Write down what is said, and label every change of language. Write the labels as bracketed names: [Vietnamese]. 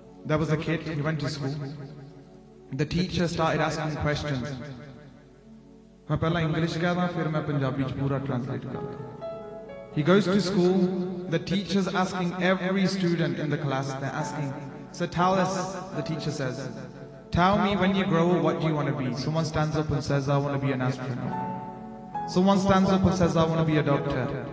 [English] That was the kid, he went to school. The teacher started asking questions. [Punjabi] ਮੈਂ ਪਹਿਲਾਂ English ਕਹਦਾ ਫਿਰ ਮੈਂ ਪੰਜਾਬੀ ਚ ਪੂਰਾ ਟ੍ਰਾਂਸਲੇਟ ਕਰਦਾ। [English] He goes to school, the teacher is asking every student in the class, they're asking, so tell us, the teacher says, tell me when you grow up, what do you want to be? Someone stands up and says, I want to be an astronaut. Someone stands up and says, I want to be a doctor.